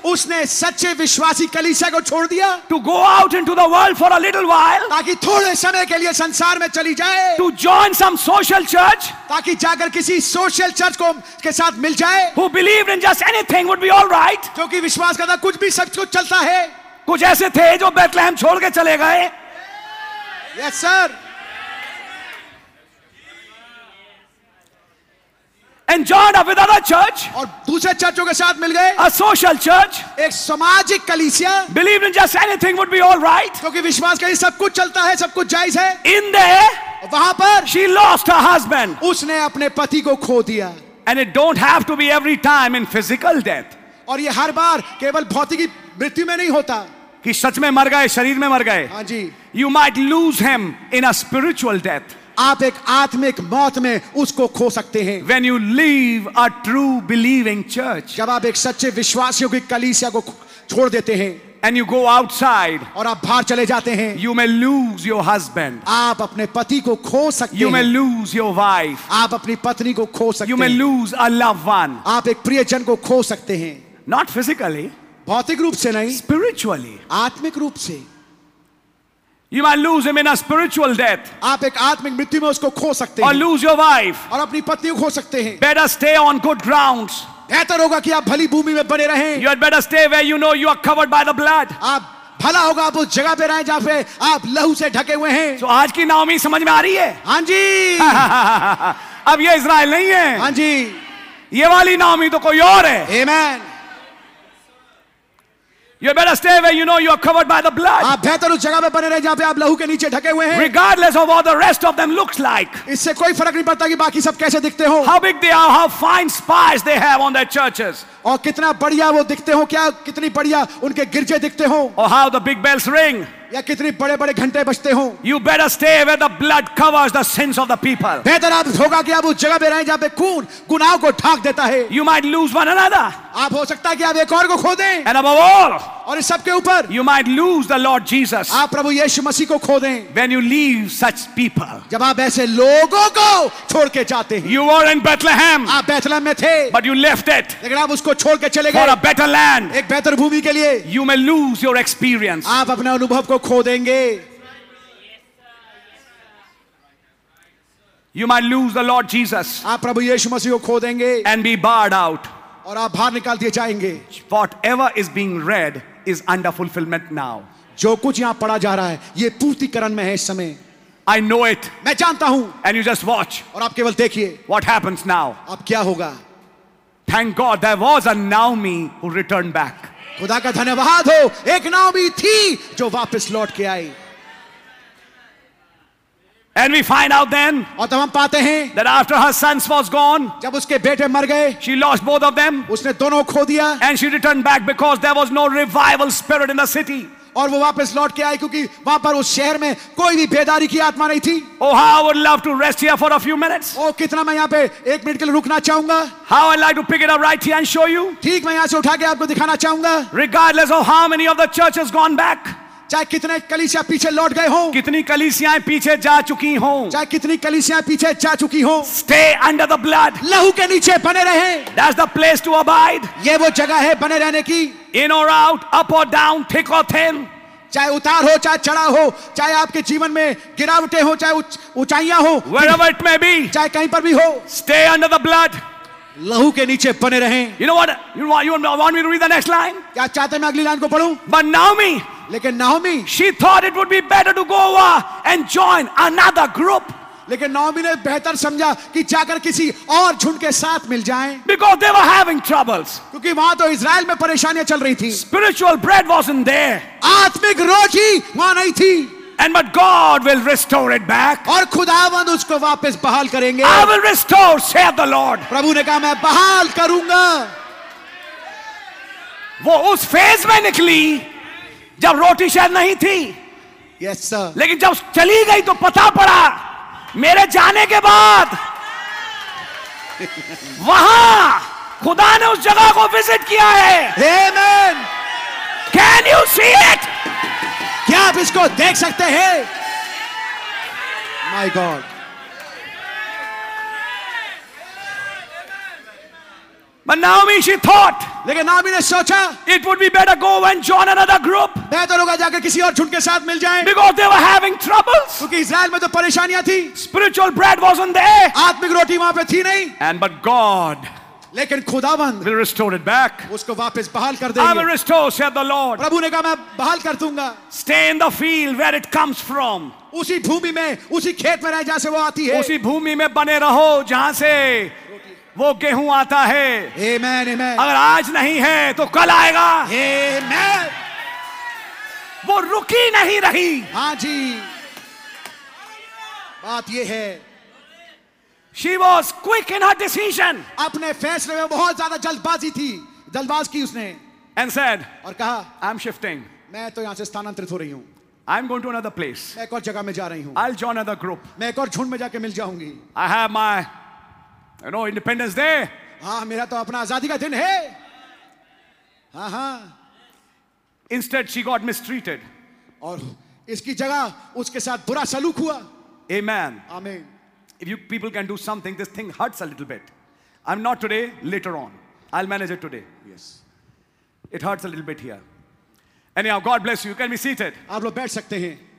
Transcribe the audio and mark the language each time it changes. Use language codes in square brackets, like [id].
[hi] उसने सच्चे विश्वासी कलीसिया को छोड़ दिया, [en] to go out into the world for a little while, [hi] ताकि थोड़े समय के लिए संसार में चली जाए, [en] to join some social church, [hi] ताकि जाकर किसी social church को के साथ मिल जाए, [en] who believed in just anything would be all right, [hi] क्योंकि विश्वास करता कुछ भी सच कुछ चलता है, कुछ ऐसे थे जो बेथलहम छोड़ के चले गए, [en] yes sir. And joined up with other church, [hi] और दूसरे चर्चों के साथ मिल गए, [en] a social church, [hi] एक सामाजिक कलीसिया, [en] believed in just anything would be all right, [hi] क्योंकि विश्वास करिए सब कुछ चलता है, सब कुछ जायज है. [en] In there, [hi] वहाँ पर, [en] she lost her husband, [hi] उसने अपने पति को खो दिया. [en] And it don't have to be every time in physical death, [hi] और ये हर बार केवल भौतिकी मृत्यु में नहीं होता, कि सच में मर गए, शरीर में मर गए. हाँ जी. [en] You might lose him in a spiritual death. [hi] आप एक आत्मिक मौत में उसको खो सकते हैं. [en] When you leave a true believing church, [hi] जब आप एक सच्चे विश्वासियों की कलीसिया को छोड़ देते हैं, [en] and you go outside, [hi] और आप बाहर चले जाते हैं, [en] you may lose your husband, [hi] आप अपने पति को खो सकते हैं, [en] you may lose your wife, [hi] आप अपनी पत्नी को खो सकते हैं, [en] you may lose a loved one, [hi] आप एक प्रियजन को खो सकते हैं, [en] not physically, [hi] भौतिक रूप से नहीं, [en] spiritually, [hi] आत्मिक रूप से. [en] You might lose him in a spiritual death. [hi] आप एक आत्मिक मृत्यु में उसको खो सकते [en] हैं. Or lose your wife. [hi] और अपनी पत्नी को खो सकते हैं. [en] Better stay on good grounds. [hi] बेहतर होगा कि आप भली भूमि में बने रहें. [en] You had better stay where you know you are covered by the blood. [hi] आप भला होगा आप उस जगह पे रहें जहाँ पे आप लहू से ढके हुए हैं. तो आज की नाओमी समझ में आ रही है? हाँ जी. अब ये इज़राइल नहीं है. हाँ जी. ये वाली नाओमी तो कोई और है. आमीन. [en] You better stay where you know you are covered by the blood. [hi] आप बेहतर उस जगह पे बने रहें जहाँ पे आप लहू के नीचे ढके हुए हैं. [en] Regardless of what the rest of them looks like. [hi] इससे कोई फर्क नहीं पड़ता कि बाकी सब कैसे दिखते हो. [en] How big they are, how fine spies they have on their churches. [hi] और कितना बढ़िया वो दिखते हो, क्या कितनी बढ़िया उनके गिरजे दिखते हो. [en] Or how the big bells ring. [hi] या कितनी बड़े-बड़े घंटे बजते हो. [en] You better stay where the blood covers the sins of the people. [hi] बेहतर आप होगा कि आप उस जगह पे रहें जहाँ पे खून गुनाह को ढांक देता है. [en] You might lose one another. [hi] आप हो सकता है कि आप एक और को खो दें. [en] And above all, [hi] और इस सब के ऊपर, [en] you might lose the Lord Jesus. [hi] आप प्रभु यीशु मसीह को खो दें. [en] When you leave such people, [hi] जब आप ऐसे लोगों को छोड़ के जाते हैं. [en] You were in Bethlehem, [hi] आप बेथलहम में थे. [en] But you left it, [hi] लेकिन आप उसको छोड़ के चले गए. [en] For a better land, [hi] एक बेहतर भूमि के लिए. [en] You may lose your experience, [hi] आप अपने अनुभव को खो देंगे. [en] You might lose the Lord Jesus, [hi] आप प्रभु यीशु मसीह को खो देंगे. [en] And be barred out, [hi] और आप बाहर निकाल दिए जाएंगे. [en] Whatever is being read is under fulfillment now. [hi] जो कुछ यहां पढ़ा जा रहा है ये पूर्तिकरण में है इस समय. [en] I know it. [hi] मैं जानता हूं. [en] And you just watch. [hi] और आप केवल देखिए. [en] What happens now? [hi] अब क्या होगा? [en] Thank God there was a Naomi who returned back. [hi] खुदा का धन्यवाद हो, एक नाओमी थी जो वापस लौट के आई. [en] And we find out then, [hi] और तब हम पाते हैं, [en] that after her sons was gone, [hi] जब उसके बेटे मर गए, [en] she lost both of them, [hi] उसने दोनों खो दिया, [en] and she returned back because there was no revival spirit in the city. [hi] और वो वापस लौट के आई क्योंकि वहाँ पर उस शहर में कोई भी बेदारी की आत्मा नहीं थी. [en] Oh how I would love to rest here for a few minutes. [hi] ओ कितना मैं यहाँ पे एक मिनट के लिए रुकना चाहूँगा. [en] How I'd like to pick it up right here and show you. [hi] ठीक मैं यहाँ से उठा के आपको दिखाना चाहूँगा. [en] Regardless of how many of the church has gone back. [hi] चाहे कितने कलीसिया पीछे लौट गए हों, कितनी कलीसियाएं पीछे जा चुकी हों, चाहे कितनी कलीसियाएं पीछे जा चुकी हों, [en] Stay under the blood, [hi] लहू के नीचे बने रहे. [en] That's the place to abide. [hi] ये वो जगह है बने रहने की. [en] In or out, up or down, thick or thin. [hi] चाहे उतार हो चाहे चढ़ा हो, चाहे आपके जीवन में गिरावटें हो चाहे ऊंचाइयां हो. [en] Wherever it may be, [hi] चाहे कहीं पर भी हो. [en] Stay under the blood. [hi] लहू के नीचे बने रहे. [en] You know what? You want me to read the next line? [hi] क्या चाहते हैं मैं अगली लाइन को पढूं? [en] But Naomi. [hi] लेकिन Naomi, [en] she thought it would be better to go over and join another group. [hi] लेकिन नाओमी ने बेहतर समझा कि जाकर किसी और झुंड के साथ मिल जाएं. [en] Because they were having troubles. [hi] क्योंकि वहां तो इज़राइल में परेशानियां चल रही थी. [en] Spiritual bread wasn't there. [hi] आत्मिक रोटी वहां नहीं थी. [en] And but God will restore it back. [hi] और खुदावंद उसको वापस बहाल करेंगे. [en] I will restore, saith the Lord. [hi] प्रभु ने कहा मैं बहाल करूंगा. वो उस फेज में निकली जब रोटी शायद नहीं थी. [en] Yes, sir. [hi] लेकिन जब चली गई तो पता पड़ा मेरे जाने के बाद वहां खुदा ने उस जगह को विजिट किया है. [en] Amen. Can you see it? [hi] क्या आप इसको देख सकते हैं? [en] My God. But Naomi, she thought. [hi] लेकिन नाओमी ने सोचा. [en] It would be better go and join another group. [hi] बेहतर होगा जाकर किसी और झुंड के साथ मिल जाएं. [en] Because they were having troubles. [hi] क्योंकि इज़राइल में तो परेशानियां थी. [en] Spiritual bread wasn't there. [hi] आत्मिक रोटी वहां पे थी नहीं. [en] And but God. [hi] लेकिन खुदावंद. [en] Will restore it back. [hi] उसको वापस बहाल कर देंगे. [en] I will restore, said the Lord. [hi] प्रभु ने कहा मैं बहाल कर दूंगा. [en] Stay in the field where it comes from. [hi] उसी भूमि में, उसी खेत में रह जहां से वो आती है. उसी भूमि में बने रहो जहां से वो गेहूं आता है. [en] Amen, amen. [hi] अगर आज नहीं है तो कल आएगा. [en] Amen. [hi] वो रुकी नहीं रही. हाँ जी. बात ये है. [en] She was quick in her decision. [hi] अपने फैसले में बहुत ज्यादा जल्दबाजी थी. जल्दबाज की उसने. [en] And said, [hi] और कहा, [en] I'm shifting. [hi] मैं तो यहां से स्थानांतरित हो रही हूँ. [en] I'm going to another place. [hi] मैं एक और जगह में जा रही हूँ. [en] I'll join another group. [hi] मैं एक और झुंड में जाके मिल जाऊंगी. [en] I have my You know, Independence Day. [hi] हाँ, मेरा तो अपना आजादी का दिन है. हाँ हाँ. [en] Instead, she got mistreated. [hi] और इसकी जगह उसके साथ बुरा सलूक हुआ. [en] Amen. Amen. If you people can do something, this thing hurts a little bit. I'm not today. Later on, I'll manage it today. Yes. It hurts a little bit here. Anyhow, God bless you. You can be seated. [hi] आप लोग बैठ सकते हैं.